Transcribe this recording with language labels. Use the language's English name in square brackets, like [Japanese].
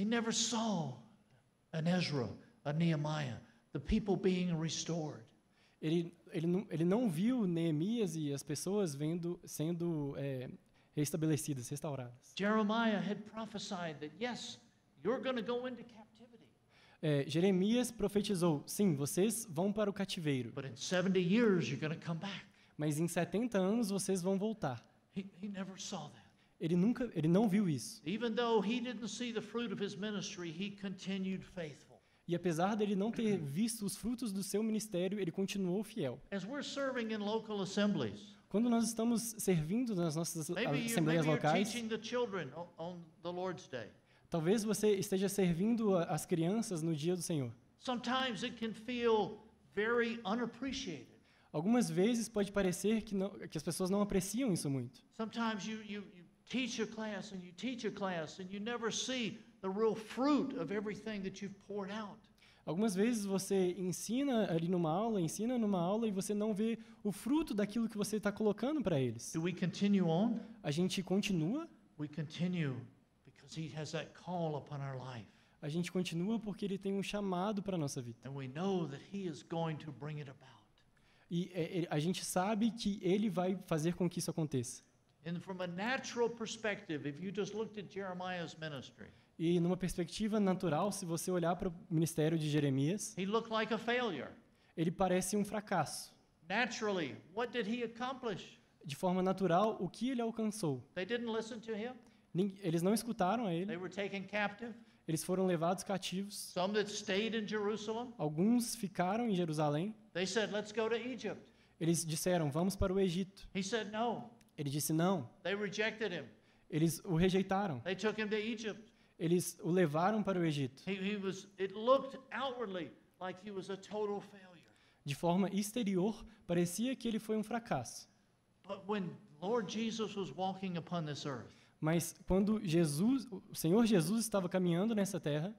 [English] He never saw an Ezra, a Nehemiah, the people being restored. [Portuguese] Ele não viu Neemias e as pessoas sendo restabelecidas, restauradas. [English] Jeremiah had prophesied that yes, you're going to go into captivity. [Portuguese] Jeremias profetizou, sim, vocês vão para o cativeiro. [English] But in 70 years you're going to come back. [Portuguese] Mas em 70 anos vocês vão voltar. [English] He never saw that. [Portuguese] Ele não viu isso. [English] Even though he didn't see the fruit of his ministry, he continued faithful. [Portuguese] E apesar dele não ter visto os frutos do seu ministério, ele continuou fiel. [English] As we're serving in local assemblies, [Portuguese] quando nós estamos servindo nas nossas assembleias locais, [English] teaching the children on the Lord's Day. [Portuguese] Talvez você esteja servindo as crianças no dia do Senhor. [English] Sometimes it can feel very unappreciated. [Portuguese] Algumas vezes pode parecer que, não, que as pessoas não apreciam isso muito. [English] Sometimes you teach a class and you teach a class and you never see the real fruit of everything that you've poured out. [Portuguese] Algumas vezes você ensina ali numa aula, ensina numa aula e você não vê o fruto daquilo que você está colocando para eles. [English] Do we continue on? [Portuguese] A gente continua? [English] We continue because he has that call upon our life. [Portuguese] A gente continua porque ele tem um chamado para a nossa vida. [English] And we know that he is going to bring it about. [Portuguese] E a gente sabe que ele vai fazer com que isso aconteça. [English] And from a natural perspective, if you just looked at Jeremiah's ministry, [Portuguese] e numa perspectiva natural, se você olhar para o ministério de Jeremias, [English] he looked like a failure. [Portuguese] Ele parece um fracasso. [English] Naturally, what did he accomplish? [Portuguese] De forma natural, o que ele alcançou? [English] They didn't listen to him. [Portuguese] Eles não escutaram a ele. [English] They were taken captive. [Portuguese] Eles foram levados cativos. [English] Some that stayed in Jerusalem. [Portuguese] Alguns ficaram em Jerusalém. [English] They said, "Let's go to Egypt." [Portuguese] Eles disseram, vamos para o Egito. [English] He said, "No." [Portuguese] Ele disse, não. [English] They rejected him. [Portuguese] Eles o rejeitaram. [English] They took him to Egypt. [Portuguese] Eles o levaram para o Egito. [English] It looked outwardly like he was a total failure. [Portuguese] De forma exterior, parecia que ele foi um fracasso. [English] But when Lord Jesus was walking upon this earth, [Portuguese] mas quando Jesus, o Senhor Jesus estava caminhando nessa terra,